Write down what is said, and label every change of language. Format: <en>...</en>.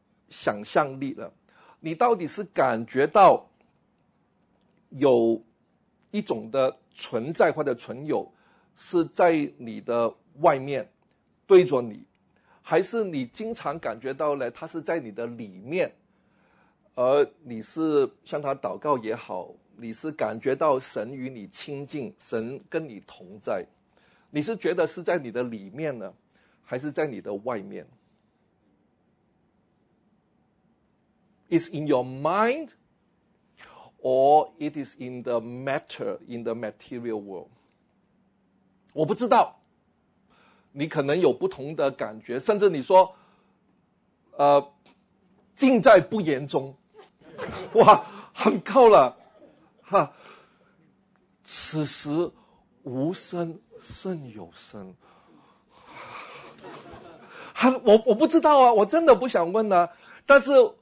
<zh>想象力了，你到底是感觉到有一种的存在或者存有是在你的外面对着你，还是你经常感觉到呢？它是在你的里面，而你是向他祷告也好，你是感觉到神与你亲近，神跟你同在，你是觉得是在你的里面呢，还是在你的外面？</zh> <en>Is in your mind, or it is in the matter, in the material world?</en> <zh>我不知道，你可能有不同的感觉，甚至你说，尽在不言中，哇，很够了，哈。此时无声胜有声，我不知道啊，我真的不想问啊，但是。</zh>